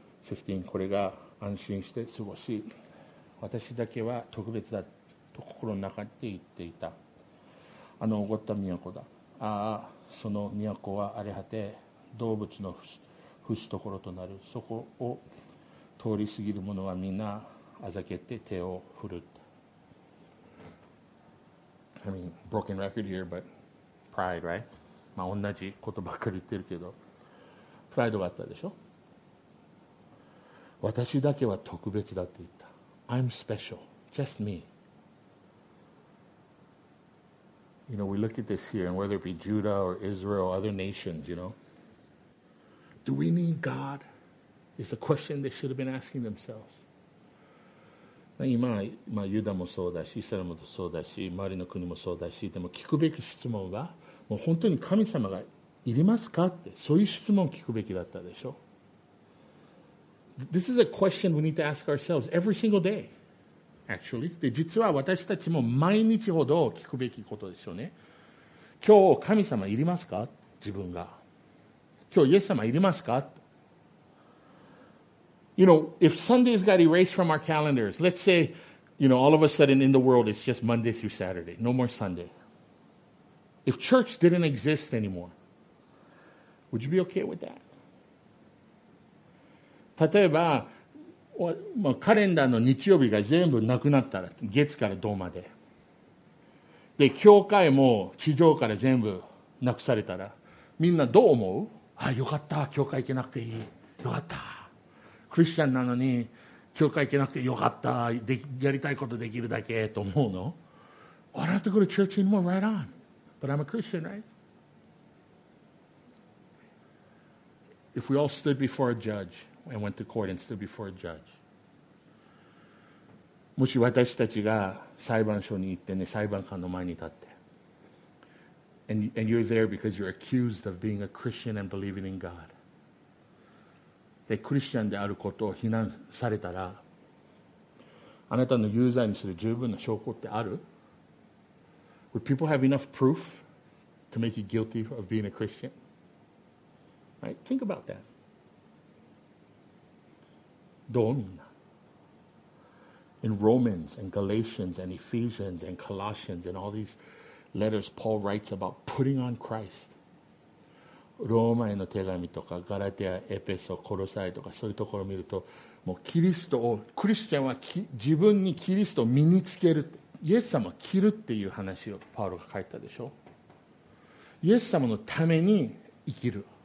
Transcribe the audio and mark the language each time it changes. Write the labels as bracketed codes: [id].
[ja] 15、これが安心して過ごし、私だけは特別だと心の中で言っていた。あのおごった都だ。ああ、その都は荒れ果て、動物の伏すところとなる。そこを通り過ぎる者はみんな、あざけて手を振る。 [en] I mean, broken record here, but pride, right? [ja] まあ同じことばっかり言ってるけど、プライドがあったでしょ？私だけは特別だって言った。 [en] I'm special, just me. You know, we look at this here, and whether it be Judah or Israel or other nations, you know, do we need God? Is the question they should have been asking themselves. [ja] 今ユダもそうだし、イスラムもそうだし、周りの国もそうだし、でも聞くべき質問は、もう本当に神様がいりますかって、そういう質問を聞くべきだったでしょ。 [en] This is a question we need to ask ourselves every single day, actually. [ja] で、実は私たちも毎日ほど聞くべきことですよね。今日神様いりますか自分が。今日イエス様いりますか。 [en] You know, if Sundays got erased from our calendars, let's say, you know, all of a sudden in the world, it's just Monday through Saturday. No more Sunday. If church didn't exist anymore, would you be okay with that? [ja] 例えば、まあ、カレンダーの日曜日が全部なくなったら、月から土まで。で、教会も地上から全部なくされたら、みんなどう思う？あ、よかった。教会行けなくていい。よかった。クリスチャンなのに教会行けなくてよかった、でやりたいことできるだけと思うの。 [en] I don't have to go to church anymore, right on. But I'm a Christian, right? If we all stood before a judge and went to court and stood before a judge, [ja] もし私たちが裁判所に行ってね、裁判官の前に立って [en] and you're there because you're accused of being a Christian and believing in God. [ja] でクリスチャンであることを非難されたら、あなたの有罪にする十分な証拠ってある？ [en] Would people have enough proof to make you guilty of being a Christian? Right? Think about that. [ja] どうみんな。 [en] In Romans and Galatians and Ephesians and Colossians and all these letters Paul writes about putting on Christ. [ja] ローマへの手紙とかガラテア、エペソ、コロサイとかそういうところを見ると、もうキリストを、クリスチャンは自分にキリストを身につける、イエス様を着るっていう話をパウロが書いたでしょ。イエス様のために生きる、